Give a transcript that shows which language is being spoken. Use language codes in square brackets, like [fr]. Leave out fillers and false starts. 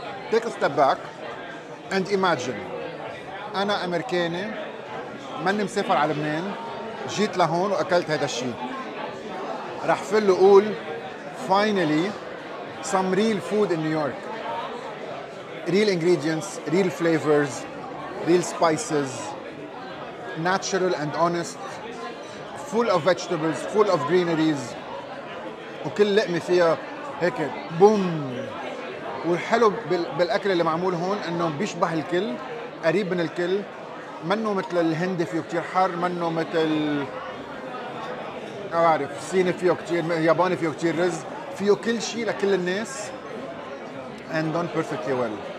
[en] Take a step back and imagine. [ar] أنا أمريكاني ماني مسافر على لبنان، جيت لهون وأكلت هذا الشيء. رح فل وقول [en] finally some real food in New York. Real ingredients, real flavors, real spices, natural and honest, full of vegetables, full of greeneries. [ar] وكل لقمة فيها هيك بوم. والحلو بالأكل اللي معمول هون إنه بيشبه الكل، قريب من الكل، منه مثل الهندي فيه كتير حر، منه مثل أعرف صيني فيه كتير، ياباني فيه كتير رز، فيه كل شيء لكل الناس [en] and done perfectly well.